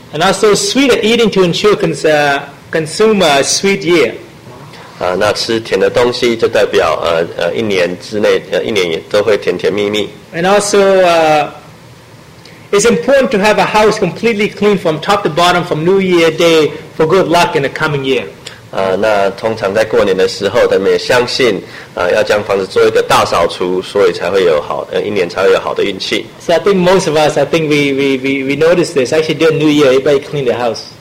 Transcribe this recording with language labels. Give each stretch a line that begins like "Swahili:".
English: And also sweet eating to ensure consume a sweet year.
Chinese: 那吃甜的东西就代表一年之内一年也都会甜甜蜜蜜。
English: And also it's important to have a house completely clean from top to bottom from New Year Day for good luck in the coming year.
Chinese: 那通常在过年的时候，他们也相信，要将房子做一个大扫除，所以才会有好，一年才会有好的运气。
English: So I think most of us, I think we notice this. Actually, during New Year, everybody clean their house.